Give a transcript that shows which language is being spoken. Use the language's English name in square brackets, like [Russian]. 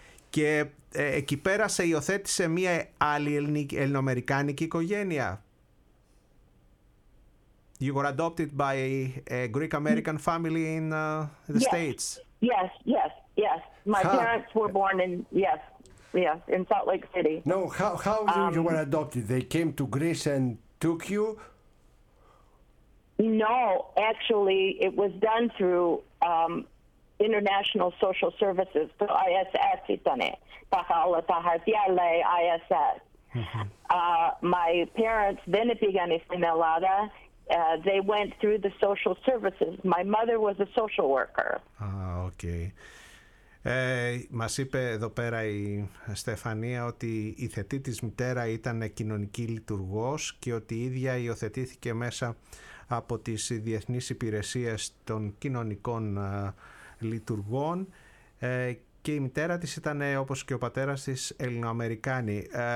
[Greek] Και εκεί πέρα σε υιοθέτησε μία άλλη ελληνοαμερικάνικη οικογένεια. [English] You were adopted by a Greek-American family in the States. Yes. My parents were born in Salt Lake City. No, how you were adopted? They came to Greece and took you? No, actually, it was done through International Social Services, the ISS. ISS. My parents, then it began in Elada, they went through the social services. My mother was a social worker. Okay. [Greek] Μας είπε εδώ πέρα η Στεφανία ότι η θετή της μητέρα ήταν κοινωνική λειτουργός και ότι η ίδια υιοθετήθηκε μέσα από τις διεθνείς υπηρεσίες των κοινωνικών λειτουργών και η μητέρα της ήταν, όπως και ο πατέρας της, Ελληνοαμερικάνοι.